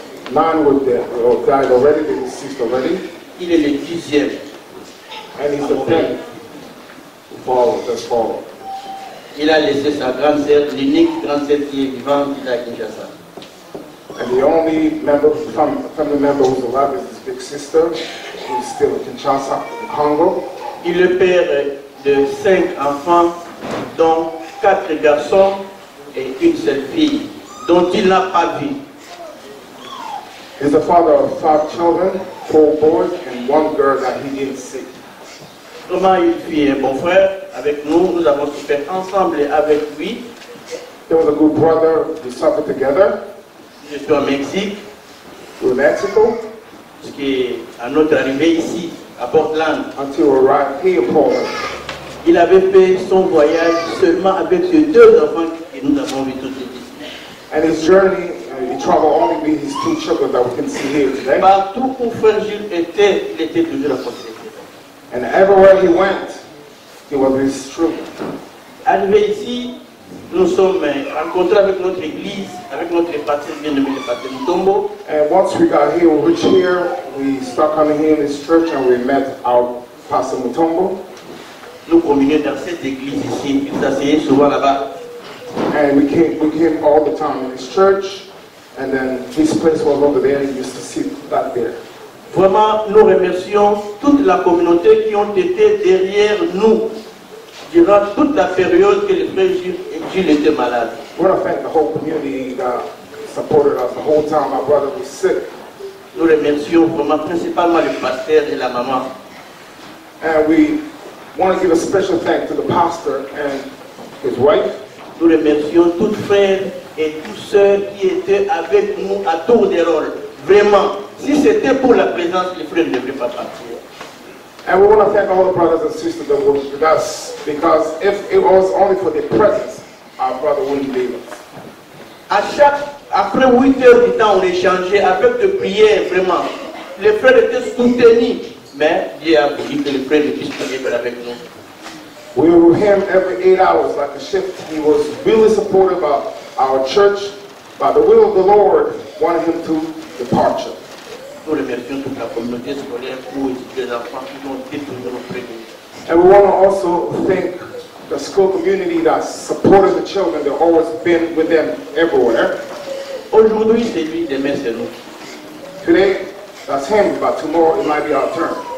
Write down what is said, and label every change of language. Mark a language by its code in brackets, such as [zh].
[en] 9 were dead or died already, they deceased already. [fr] Il est le 10e. [en] And he's the 10th to follow, just follow. [fr] Il a laissé sa grande sœur, l'unique grande sœur qui est vivante, il a Kinshasa. [en] And the only member, family member who's alive is his big sister, who's still in Kinshasa, in Congo. [fr] Il est père de 5 enfants, dont 4 garçons et une seule fille, dont il n'a pas vu. [en] He's the father of 5 children, 4 boys and 1 girl that he didn't see. [fr] Comment il fut un bon frère avec nous, nous avons souffert ensemble avec lui. [en] He was a good brother, we suffered together. [fr] Je suis au Mexique. [en] To Mexico. [fr] Jusqu'à à notre arrivée ici, à Portland. [en] Until we arrived here, Portland. [fr] Il avait fait son voyage seulement avec ses 2 enfants que nous avons vus tout de suite. [en] And his journey, he traveled only with his 2 children that we can see here today. [fr] Partout où Frère Gilles était, il était toujours à côté. [en] And everywhere he went, he was with his children. [fr] Arrivé ici, nous sommes rencontrés avec notre église, avec notre pasteur bien-aimé, le pasteur Mutombo. [en] And once we got here, we reached here, we started coming here in this church and we met our pastor Mutombo. [fr] Nous communions dans cette église ici, il s'asseyait souvent là-bas. [en] And we came all the time in this church, and then this place was over there, and you used to sit back there. [fr] Vraiment, nous remercions toute la communauté qui ont été derrière nous durant toute la période que le frère Gilles était malade. [en] We want to thank the whole community that supported us the whole time my brother was sick. [fr] Nous remercions vraiment principalement le pasteur et la maman. [en] And we want to give a special thanks to the pastor and his wife. [fr] Nous remercions tous frères et tous ceux qui étaient avec nous à tour de rôle. Vraiment, si c'était pour la présence, les frères ne devraient pas partir. [en] And we want to thank all the brothers and sisters that were with us, because if it was only for their presence, our brother wouldn't leave us. [fr] Après 8 heures du temps, on échangeait avec de prières, vraiment. Les frères étaient soutenus, mais Dieu a voulu que les frères puissent venir avec nous. [en] We were with him every 8 hours, like a shift. He was really supportive of our church. By the will of the Lord, wanted him to depart. [fr] Nous remercions toute la communauté scolaire pour les enfants qui ont été toujours auprès de nous. [en] And we want to also thank the school community that supported the children. They've always been with them everywhere. [fr] Aujourd'hui, c'est lui, demain, c'est nous. [en] Today, that's him, but tomorrow it might be our turn.